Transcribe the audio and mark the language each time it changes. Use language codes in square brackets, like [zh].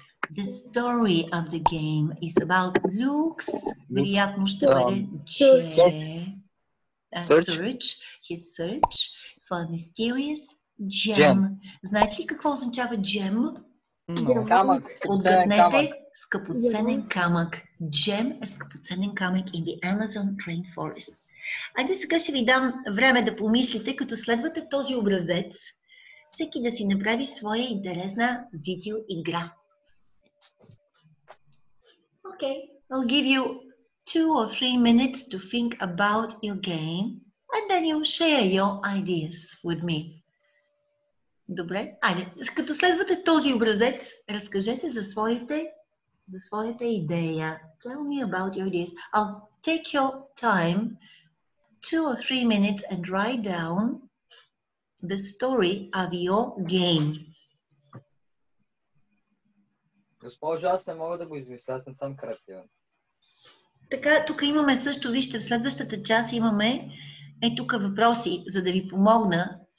[en] The story of the game is about Luke's search for a mysterious gem. [bg] Знаете ли какво означава gem? Камък. Отгаднете, скъпоценен камък. [en] Gem [bg] е скъпоценен камък [en] in the Amazon rainforest. [bg] Айде сега ще ви дам време да помислите, като следвате този образец, всеки да си направи своя интересна видео игра. [en] Okay, I'll give you 2 or 3 minutes to think about your game and then you'll share your ideas with me. [bg] Добре, айде, като следвате този образец, разкажете за своята идея. [en] Tell me about your ideas. I'll take your time, 2 or 3 minutes, and write down the story of your game. [bg] Госпожо, аз не мога да го измисля, аз не съм креативен. Така, тук имаме също, вижте, в следващата част имаме тук въпроси, за да ви помогна.